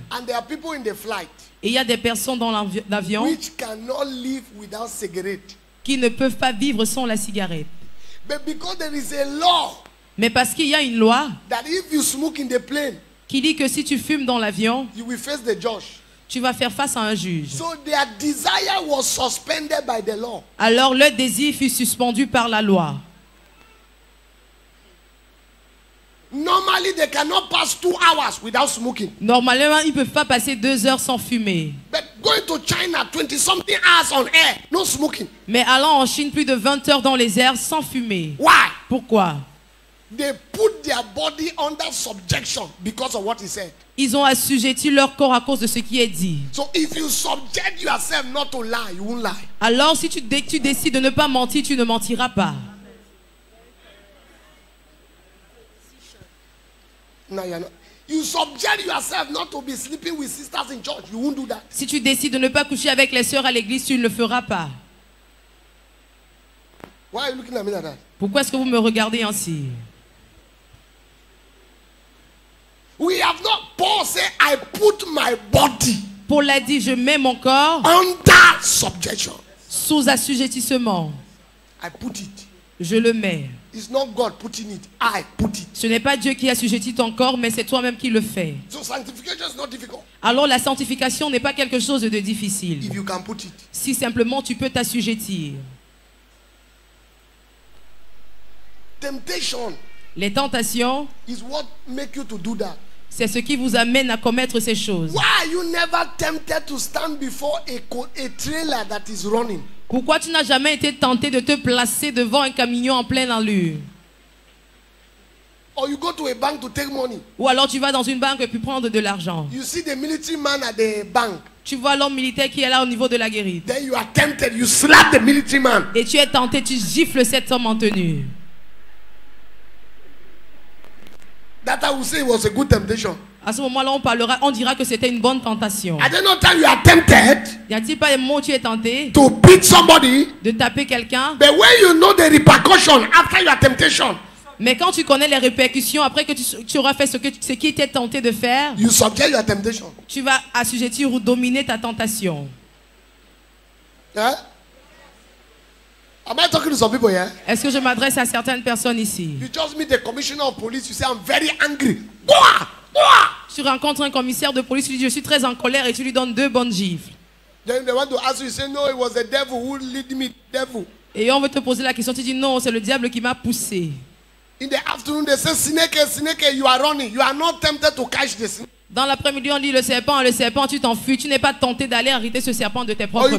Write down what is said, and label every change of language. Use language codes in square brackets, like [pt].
[en] And there are people in the flight. [fr] Et il y a des personnes dans l'avion [en] which cannot live without cigarette. [fr] Qui ne peuvent pas vivre sans la cigarette. [en] But because there is a law. [fr] Mais parce qu'il y a une loi [en] that if you smoke in the plane, [fr] qui dit que si tu fumes dans l'avion, [en] you will face the judge. [fr] Tu vas faire face à un juge. [en] So their desire was suspended by the law. [fr] Alors leur désir fut suspendu par la loi. [en] Normally, they cannot pass 2 hours without smoking. [fr] Normalement, ils ne peuvent pas passer 2 heures sans fumer. [en] But going to China, 20 something hours on air, no smoking. [fr] Mais allant en Chine plus de 20 heures dans les airs sans fumer. [en] Why? [fr] Pourquoi? [en] They put their body under subjection because of what he said. [fr] Ils ont assujetti leur corps à cause de ce qui est dit. [en] So if you subject yourself not to lie, you won't lie. [fr] Alors si tu décides de ne pas mentir, tu ne mentiras pas. [en] Now you're not. You subject yourself not to be sleeping with sisters in church, you won't do that. [fr] Si tu décides de ne pas coucher avec les sœurs à l'église, tu ne le feras pas. [en] Why are you looking at me like that? [fr] Pourquoi est-ce que vous me regardez ainsi? [en] We have not said, I put my body. [fr] Paul a dit, je mets mon corps [en] under subjection. [fr] Sous assujettissement. [en] I put it. [fr] Je le mets. [en] It's not God putting it. I put it. [fr] Ce n'est pas Dieu qui assujettit ton corps, mais c'est toi-même qui le fais. [en] So sanctification is not difficult. [fr] Alors la sanctification n'est pas quelque chose de difficile. [en] If you can put it. [fr] Si simplement tu peux t'assujettir. [en] Temptation. [fr] Les tentations, [en] is what make you to do that. [fr] C'est ce qui vous amène à commettre ces choses. [en] Why are you never tempted to stand before a trailer that is running? [fr] Pourquoi tu n'as jamais été tenté de te placer devant un camion en pleine allure? [en] Or you go to a bank to take money. [fr] Ou alors tu vas dans une banque pour prendre de l'argent. [en] You see the military man at the bank. [fr] Tu vois l'homme militaire qui est là au niveau de la guérite. [en] Then you are tempted, you slap the military man. [fr] Et tu es tenté, tu gifles cet homme en tenue. [en] That I would say was a good temptation. [fr] À ce moment-là, on parlera, on dira que c'était une bonne tentation. [en] I don't know that you are tempted. [fr] Y a-t-il pas un moment où tu es tenté? [en] To beat somebody. [fr] De taper quelqu'un. [en] But when you know the repercussion after your temptation. [fr] Mais quand tu connais les répercussions après que tu auras fait ce qui était tenté de faire. [en] You subject your temptation. [fr] Tu vas assujettir ou dominer ta tentation. [en] Hein? Am I talking to some people here? [fr] Est-ce que je m'adresse à certaines personnes ici? [en] You just meet the commissioner of police, you say I'm very angry. Bouah! Bouah! [fr] Tu rencontres un commissaire de police, tu dis je suis très en colère et tu lui donnes deux bonnes gifles. [en] Then they want to ask you, you say no, it was the devil who led me, devil. [fr] Et on veut te poser la question, tu dis non, c'est le diable qui m'a poussé. [en] In the afternoon, they say, snake, snake, you are running. You are not tempted to catch the snake. [fr] Dans l'après-midi, on dit le serpent, tu t'enfuis. Tu n'es pas tenté d'aller arrêter ce serpent de tes propres mains.